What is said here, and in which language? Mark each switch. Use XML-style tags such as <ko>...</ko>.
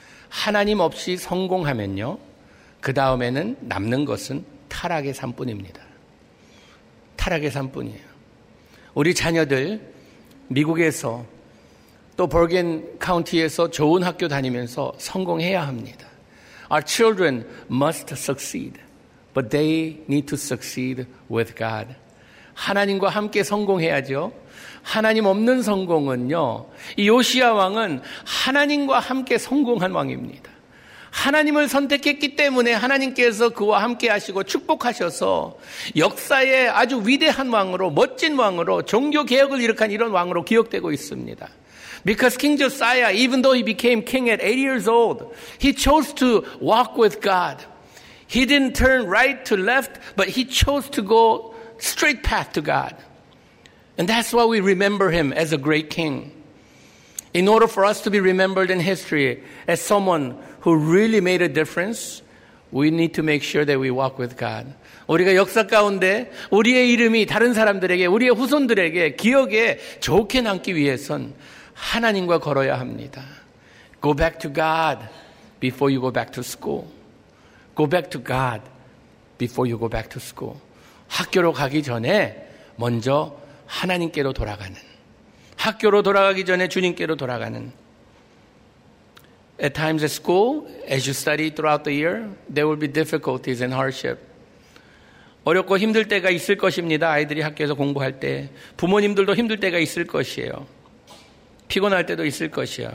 <ko>하나님 없이 성공하면요, 그 다음에는 남는 것은 타락의 삶뿐입니다. 타락의 삶뿐이에요. 우리 자녀들 미국에서 또 버겐 카운티에서 좋은 학교 다니면서 성공해야 합니다.</ko> <en>Our children must succeed, but they need to succeed with God.</en> <ko>하나님과 함께 성공해야죠. 하나님 없는 성공은요, 이 요시아 왕은 하나님과 함께 성공한 왕입니다. 하나님을 선택했기 때문에 하나님께서 그와 함께 하시고 축복하셔서 역사에 아주 위대한 왕으로, 멋진 왕으로, 종교개혁을 일으킨 이런 왕으로 기억되고 있습니다.</ko> <en>Because King Josiah, even though he became king at 80 years old, he chose to walk with God. He didn't turn right to left, but he chose to go straight path to God. And that's why we remember him as a great king. In order for us to be remembered in history as someone who really made a difference, we need to make sure that we walk with God.</en> <ko>우리가 역사 가운데 우리의 이름이 다른 사람들에게, 우리의 후손들에게 기억에 좋게 남기 위해선 하나님과 걸어야 합니다.</ko> <en>Go back to God before you go back to school. Go back to God before you go back to school.</en> <ko>학교로 가기 전에 먼저 하나님께로 돌아가는, 학교로 돌아가기 전에 주님께로 돌아가는.</ko> <en>At times at school, as you study throughout the year, there will be difficulties and hardship.</en> <ko>어렵고 힘들 때가 있을 것입니다. 아이들이 학교에서 공부할 때 부모님들도 힘들 때가 있을 것이에요. 피곤할 때도 있을 것이에요.</ko>